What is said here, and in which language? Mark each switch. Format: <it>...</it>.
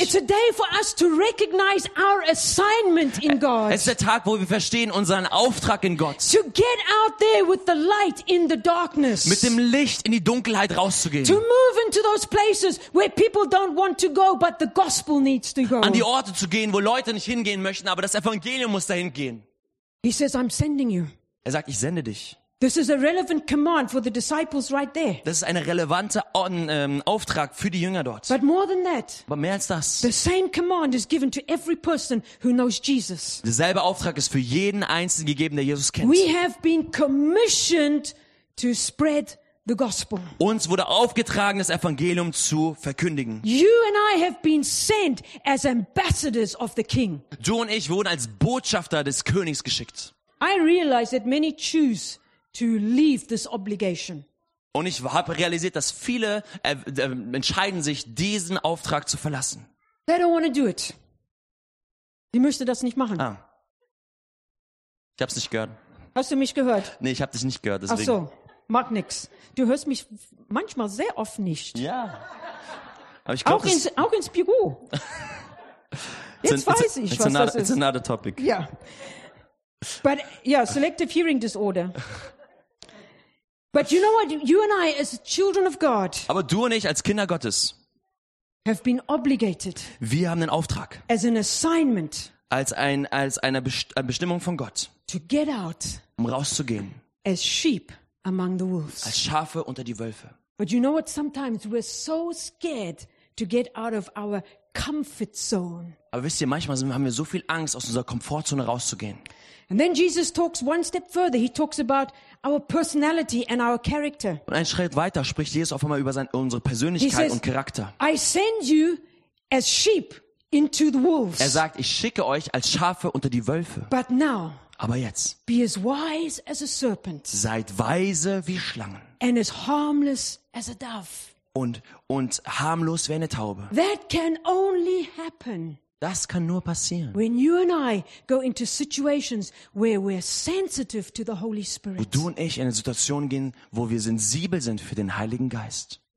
<en>It's a day for us to recognize our assignment in God.</en> <de>Es ist der Tag, wo wir verstehen unseren Auftrag in Gott.</de> <en>To get out there with the light in the darkness.</en> <de>Mit dem Licht in die Dunkelheit rauszugehen.</de> <en>To move into those places where people don't want to go, but the gospel needs to go.</en> <de>An die Orte zu gehen, wo Leute nicht hingehen möchten, aber das Evangelium muss dahin gehen.</de> <en>He says, I'm sending you.</en> <de>Er sagt, ich sende dich.</de> <en>This is a relevant command for the disciples right there.</en> <de>Das ist eine relevante Auftrag für die Jünger dort.</de> <en>But more than that.</en> <de>Aber mehr als das.</de> <en>The same command is given to every person who knows Jesus.</en> <de>Derselbe Auftrag ist für jeden einzelnen gegeben, der Jesus kennt.</de> <en>We have been commissioned to spread the gospel.</en> <de>Uns wurde aufgetragen, das Evangelium zu verkündigen.</de> <en>You and I have been sent as ambassadors of the King.</en> <de>Du und ich wurden als Botschafter des Königs geschickt.</de> <en>I realize that many choose to leave this obligation.</en> <de>Und ich habe realisiert, dass viele entscheiden sich, diesen Auftrag zu verlassen.</de> <en>They don't want to do it.</en> <de>Die möchte das nicht machen. Ah. Ich hab's nicht gehört. Hast du mich gehört? Nee, ich habe dich nicht gehört, deswegen. Ach so. Mag nix. Du hörst mich manchmal sehr oft nicht. Ja. Aber ich glaub, auch, auch ins Büro. Jetzt weiß ich, was das ist.</de> <en>It's another topic. Ja. But yeah, selective hearing disorder. But you know what? You and I, as children of God,</en> <de>aber du und ich als Kinder Gottes,</de> <en>have been obligated.</en> <de>Wir haben den Auftrag.</de> <en>As an assignment.</en> <de>Als eine Bestimmung von Gott.</de> <en>To get out.</en> <de>Um rauszugehen.</de> <en>As sheep. Among the wolves.</en> <de>Als Schafe unter die Wölfe.</de> <en>But you know what? Sometimes we're so scared to get out of our comfort zone.</en> <de>Aber wisst ihr, manchmal haben wir so viel Angst, aus unserer Komfortzone rauszugehen.</de> <en>And then Jesus talks one step further. He talks about our personality and our character.</en> <de>Und einen Schritt weiter spricht Jesus auf einmal über unsere Persönlichkeit</de> <en>says,</en> <de>und Charakter.</de> <en>I send you as sheep into the wolves.</en> <de>Er sagt, ich schicke euch als Schafe unter die Wölfe.</de> <en>But now.</en> <de>Aber jetzt,</de> <en>be as wise as a serpent.</en> <de>Seid weise wie Schlangen.</de> <en>And as harmless as a dove.</en> <de>Und harmlos wie eine Taube.</de> <en>That can only happen.</en> <de>Das kann nur passieren.</de> <en>When you and I go into situations where we're sensitive to the Holy Spirit.</en> <de>Wo du und ich in eine Situation gehen, wo wir sensibel sind für den Heiligen Geist.</de>